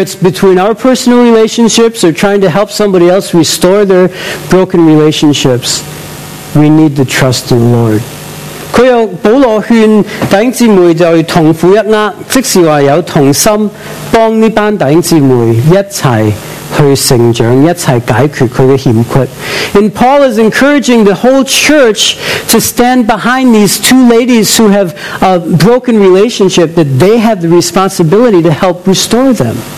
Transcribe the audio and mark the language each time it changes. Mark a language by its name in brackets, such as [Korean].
[English] it's between our personal relationships or trying to help somebody else restore their broken relationships, we need to trust in the Lord. [Chinese] 保罗劝弟兄姊妹就要同父一轭，即是说有同心帮这班弟兄姊妹一起去成长，一起解决他的欠缺。 [English] And Paul is encouraging the whole church to stand behind these two ladies who have a broken relationship, that they have the responsibility to help restore them.